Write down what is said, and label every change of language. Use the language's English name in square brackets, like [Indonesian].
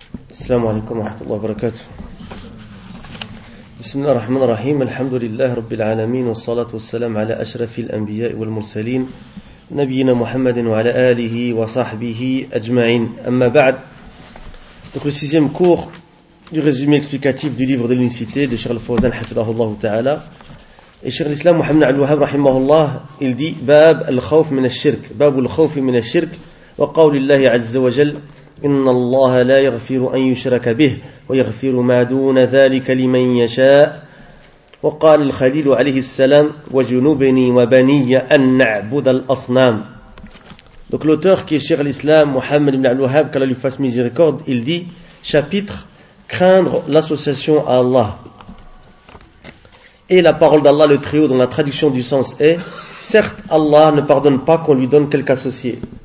[Arabic] السلام عليكم ورحمة الله وبركاته. بسم الله الرحمن الرحيم. الحمد لله رب العالمين، والصلاة والسلام على أشرف الأنبياء والمرسلين نبينا محمد وعلى آله وصحبه أجمعين. أما بعد، [French] donc le sixième cours du résumé explicatif du livre de l'unicité de Cheikh Al-Fawzan حفظه الله تعالى. Et Cheikh l'Islam Mohamed Al-Wahhab رحمه الله il dit [Arabic] باب الخوف من الشرك، باب الخوف من الشرك وقول الله عز وجل إن الله لا يغفر أن يشرك به ويغفر ما دون ذلك لمن يشاء. وقال الخليل عليه السلام وجنوبني وبني أن نعبد الأصنام. [French] Donc l'auteur qui est Cheikh l'Islam Mohamed ibn al-Wahhab, qu'Allah lui fasse miséricorde, il dit chapitre craindre l'association à Allah. Et la parole d'Allah le Très-Haut dans la traduction du sens est certes Allah ne pardonne pas qu'on lui donne quelque associé.